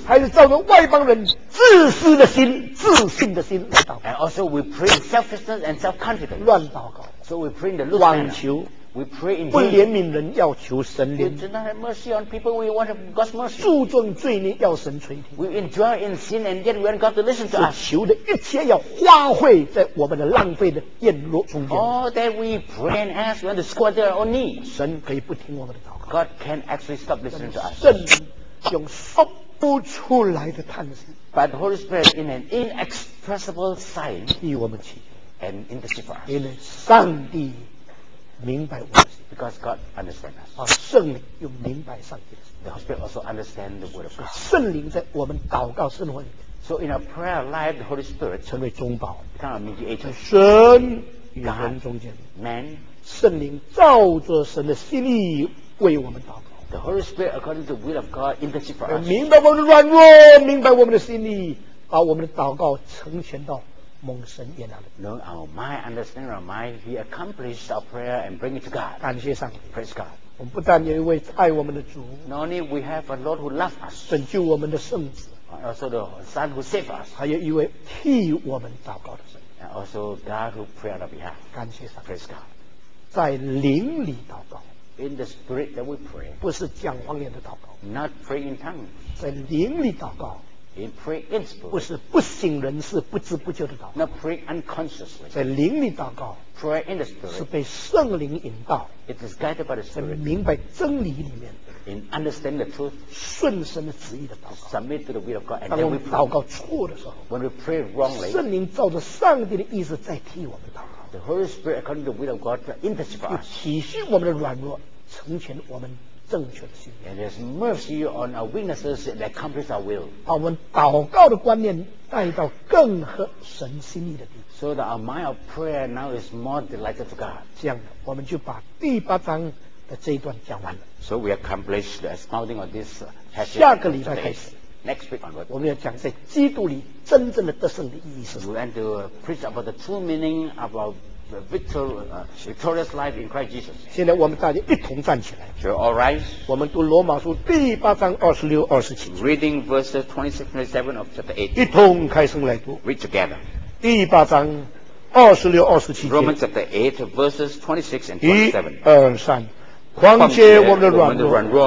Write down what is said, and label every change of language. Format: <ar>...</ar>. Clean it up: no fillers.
<zh>还是照着外邦人自私的心自信的心来祷告</zh> <en>And also we pray selfishness and self-confidence</en> <zh>乱祷告</zh> <en>So we pray in the loose manner.</en> <zh>妄求</zh> <en>We pray in</en> <zh>不怜悯人要求神怜悯</zh> <en>We do not have mercy on people We want God's mercy</en> <zh>注重罪孽要神垂听</zh> <en>We enjoy in sin And yet we want God to listen to us</en> <zh>求的一切要花费在我们的浪费的宴落中间</zh> <en>All that we pray and ask We want to squander our own need</en> <zh>神可以不听我们的祷告</zh> <en>God can actually stop listening to us</en> <zh>圣用说不出来的叹息</zh> <en>But the Holy Spirit in an inexpressible sign</en> <zh>替我们祈求</zh> <en>And intercede for us.</en> <zh>因为上帝明白我们的心</zh> <en>Because God understands us.</en> <zh>而圣灵又明白上帝的心</zh> <en>The Holy Spirit also understands the word of God.</en> <zh>圣灵在我们祷告生活里</zh> <en>So in our prayer life, the Holy Spirit</en> <zh>成为中保</zh> <en>Become our mediator.</en> <zh>神与人中间</zh> <en>God, man,</en> <zh>圣灵照着神的心意为我们祷告</zh> <en>The Holy Spirit according to the will of God intercede for us.</en> <zh>明白我们的软弱明白我们的心意把我们的祷告成全到蒙神悦纳的。</zh> <en>No, our mind, understanding our mind, he accomplished our prayer and bring it to God.</en> <zh>感谢上帝。</zh> <en>Praise God.</en> <zh>我们不但有一位爱我们的主。</zh> <en>Not only we have a Lord who loves us.</en> <zh>拯救我们的圣子。</zh> <en>Also the Son who saved us.</en> <zh>还有一位替我们祷告的神。</zh> <en>And also God who prayed on our behalf.</en> <zh>感谢上帝。</zh> <en>Praise God.</en> <zh>在灵里祷告。</zh> <en>In the spirit that we pray.</en> <zh>不是讲方言的祷告。</zh> <en>Not praying in tongues.</en> <zh>在灵里祷告。</zh> <en>In praying in spirit.</en> <zh>不是不省人事不知不觉的祷告。</zh> <en>Not praying unconsciously.</en> <zh>在灵里祷告。</zh> <en>Prayer in the spirit.</en> <zh>是被圣灵引导。</zh> <en>It is guided by the spirit.</en> <zh>在明白真理里面。</zh> <en>In understand the truth.</en> <zh>顺神的旨意的祷告。</zh> <en>Submit to the will of God.</en> <zh>当我们祷告错的时候。</zh> <en>When we pray wrongly.</en> <zh>圣灵照着上帝的意思在替我们祷告。</zh> <en>The Holy Spirit according to the will of God intercedes for us.</en> <zh>体恤我们的软弱，成全我们正确的信</zh> <en>念。And there's mercy on our weaknesses that accomplish our will.</en> <zh>把我们祷告的观念带到更合神心意的地方。</zh> <en>So that our mind of prayer now is more delighted to God.</en> <zh>这样我们就把第八章的这一段讲完了。</zh> <en>So we accomplish the expounding of this passage.</en> <zh>下个礼拜开始。</zh> <en>Next week onward,</en> <zh>我们要讲在基督里真正的得胜的意义是什么。</zh> <en>We want to preach about the true meaning of our victorious life in Christ Jesus.</en> <zh>现在我们大家一同站起来。</zh> <en>So all right.</en> <zh>我们读罗马书第八章二十六、二十七。</zh> <en>Reading verses 26-27 of chapter 8.</en> <zh>一同开声来读。</zh> <en>Read together.</en> <zh>第八章二十六、二十七。</zh> <en>Romans chapter 8, verses 26 and 27.</en> <zh>一、二、三。况且我们的软弱，</zh>